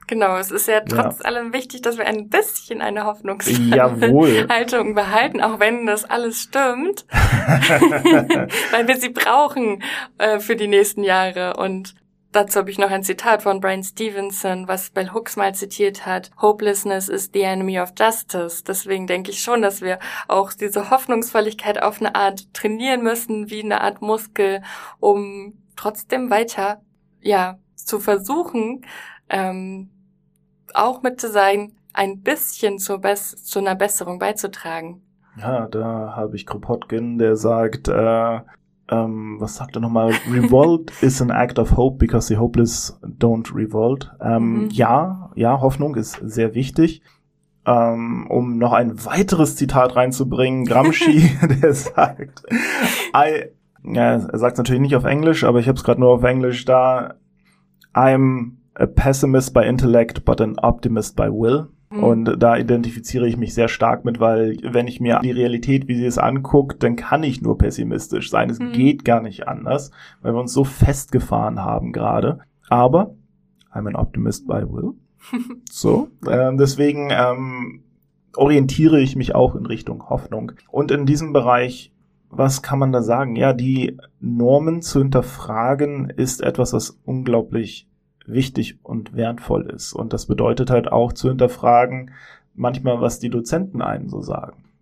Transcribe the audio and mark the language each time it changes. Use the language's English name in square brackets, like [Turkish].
[German] Genau, es ist ja trotz allem wichtig, dass wir ein bisschen eine Hoffnungshaltung behalten, auch wenn das alles stimmt, weil wir sie brauchen für die nächsten Jahre. Und dazu habe ich noch ein Zitat von Bryan Stevenson, was Bell Hooks mal zitiert hat. [English] Hopelessness is the enemy of justice. [German] Deswegen denke ich schon, dass wir auch diese Hoffnungsvolligkeit auf eine Art trainieren müssen, wie eine Art Muskel, um trotzdem weiter, ja, zu versuchen, auch mit zu sein, ein bisschen zu einer Besserung beizutragen. Ja, da habe ich Kropotkin, der sagt, was sagt er nochmal? [English] Revolt is an act of hope because the hopeless don't revolt. [German] Ja, Hoffnung ist sehr wichtig. Um noch ein weiteres Zitat reinzubringen, Gramsci, der sagt, er sagt es natürlich nicht auf Englisch, aber ich habe es gerade nur auf Englisch da. [English] I'm a pessimist by intellect, but an optimist by will. [German] Und da identifiziere ich mich sehr stark mit, weil wenn ich mir die Realität, wie sie es anguckt, dann kann ich nur pessimistisch sein. Es geht gar nicht anders, weil wir uns so festgefahren haben gerade. Aber [English] I'm an optimist by will. [German] So, deswegen orientiere ich mich auch in Richtung Hoffnung. Und in diesem Bereich, was kann man da sagen? Ja, die Normen zu hinterfragen ist etwas, was unglaublich wichtig und wertvoll ist. Und das bedeutet halt auch zu hinterfragen, manchmal, was die Dozenten einem so sagen.